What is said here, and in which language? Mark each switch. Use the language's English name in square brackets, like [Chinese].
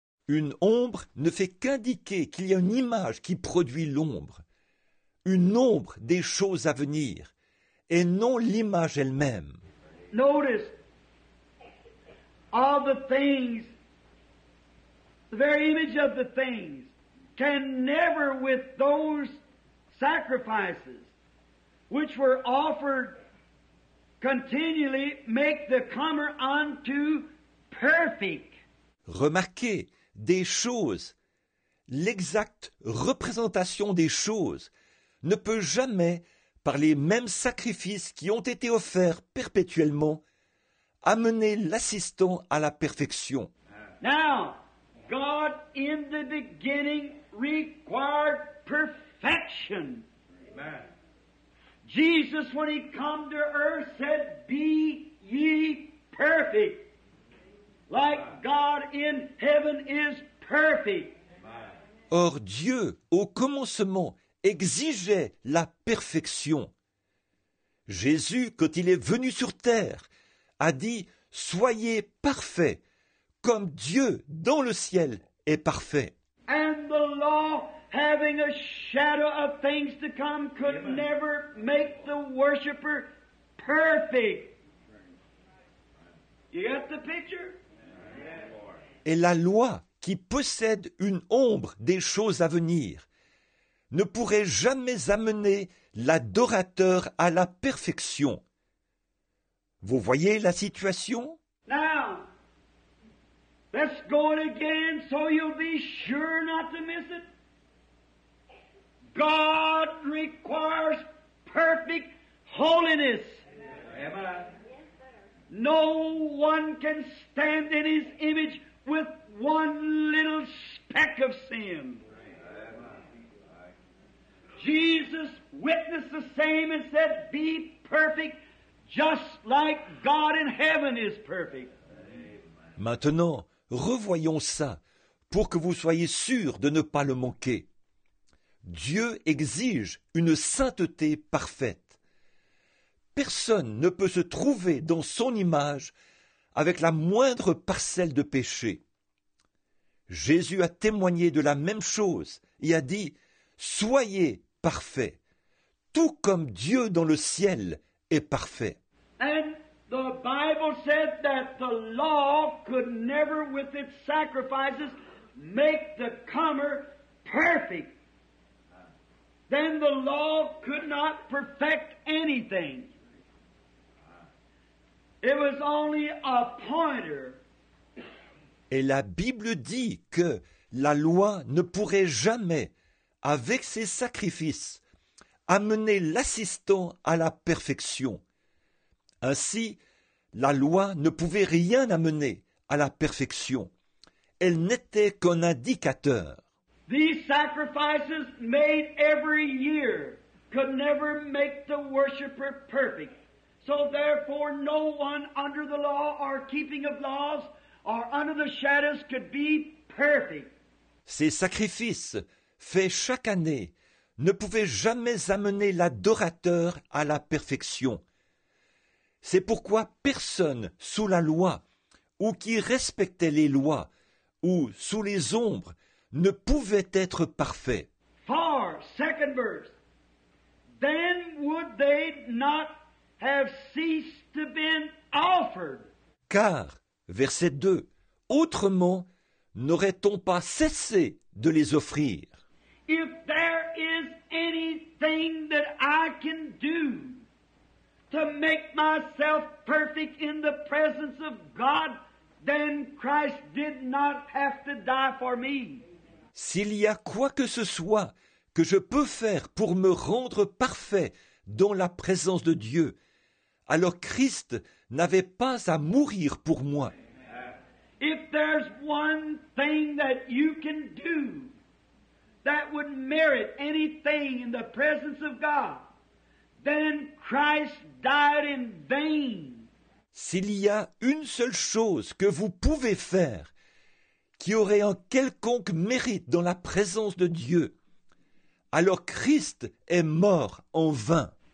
[French] Une ombre ne fait qu'indiquer qu'il y a une image qui produit l'ombre. Une ombre des choses à venir et non l'image elle-même. [English] Notice all the things, the very image of the things, can never with those sacrifices which were offered continually make the comer unto perfect. [French] Remarquez, des choses, l'exacte représentation des choses ne peut jamais, par les mêmes sacrifices qui ont été offerts perpétuellement, amener l'assistant à la perfection. [English] Now, God in the beginning required perfection. Amen. Jesus, when he came to earth, said, "Be ye perfect, like God in heaven is perfect." [French] Or Dieu, au commencement, exigeait la perfection. Jésus, quand il est venu sur terre, a dit, "Soyez parfaits, comme Dieu dans le ciel est parfait." [English] And the law, having a shadow of things to come, could Amen. Never make the worshiper perfect. You get the picture? [French] Et la loi, qui possède une ombre des choses à venir, ne pourrait jamais amener l'adorateur à la perfection. Vous voyez la situation? [English] Now, let's go again so you'll be sure not to miss it. God requires perfect holiness. Amen. No one can stand in his image with one little speck of sin. Jesus witnessed the same and said, "Be perfect just like God in heaven is perfect." [French] Maintenant, revoyons ça pour que vous soyez sûr de ne pas le manquer. Dieu exige une sainteté parfaite. Personne ne peut se trouver dans son image avec la moindre parcelle de péché. Jésus a témoigné de la même chose et a dit, "Soyez parfaits, tout comme Dieu dans le ciel est parfait." [English] And the Bible said that the law could never with its sacrifices make the comer perfect. Then the law could not perfect anything. It was only a pointer. [French] Et la Bible dit que la loi ne pourrait jamais avec ses sacrifices, amener l'assistant à la perfection. Ainsi, la loi ne pouvait rien amener à la perfection. Elle n'était qu'un indicateur. [English] These sacrifices made every year could never make the worshiper perfect. So therefore, no one under the law or keeping of laws or under the shadows could be perfect. [French] Ces sacrifices faits chaque année ne pouvaient jamais amener l'adorateur à la perfection. C'est pourquoi personne sous la loi ou qui respectait les lois ou sous les ombres ne pouvait être parfait. [English] For, second verse, then would they not have ceased to be offered? [French] Car, verset 2, autrement n'aurait-on pas cessé de les offrir? [English] If there is anything that I can do to make myself perfect in the presence of God, then Christ did not have to die for me. [French] S'il y a quoi que ce soit que je peux faire pour me rendre parfait dans la présence de Dieu, alors Christ n'avait pas à mourir pour moi. [English] If there's one thing that you can do that would merit anything in the presence of God, then Christ died in vain. [French] S'il y a une seule chose que vous pouvez faire qui aurait un quelconque mérite dans la présence de Dieu, alors Christ est mort en vain.